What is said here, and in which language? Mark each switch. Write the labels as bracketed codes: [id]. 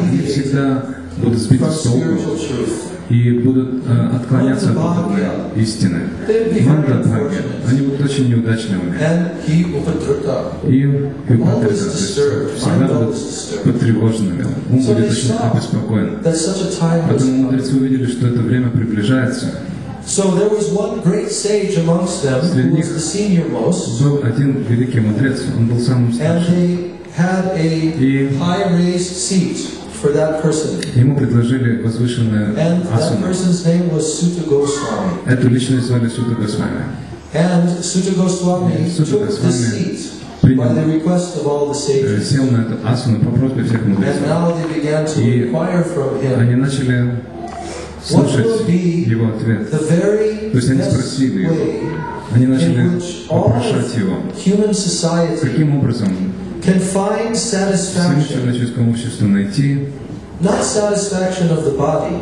[ru] они всегда будут сбиты с толку и будут отклоняться от духовной истины. Манда Бхагья, они будут очень неудачными. И Упатрита, то есть всегда будут потревоженными. Ум будет очень обеспокоен. Поэтому мудрецы увидели, что это время приближается. [en] So there was one great sage amongst them, who was the senior most. [ru] Был один великий мудрец, он был самым старшим. [en] And they had a high raised seat. For that person. [ru] Ему предложили возвышенное асану. [en] Person's name was Suta Goswami. [ru] Эту личность звали Сута Госвами. [en] And Suta Goswami took the seat by the request of all the sages. [ru] Сел на эту асану по просьбе всех мудрецов. [en] And now they began to inquire from him. [ru] Они начали слушать его ответ. [en] The very [ru] То есть они спросили его. Они начали попрошать его. [en] Human society [ru] каким образом [en] can find satisfaction [ru] в человеческом обществе найти [en] Not satisfaction of the body,